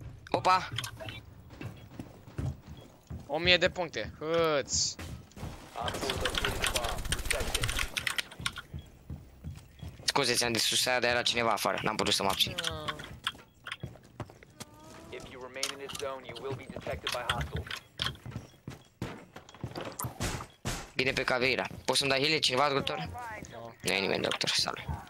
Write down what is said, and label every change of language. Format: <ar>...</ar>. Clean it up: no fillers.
<ro>Opa! 1000 de puncte, hâți! Scuze, ți-am zis sus aia, dar era cineva afară, n-am putut să mă abțin.</ro> <en>If you remain in this zone, you will be detected by hostile.</en> <ro>Bine pe Caveira. Poți să-mi dai heli cineva, doctor? Nu e nimeni, doctor, salut.</ro>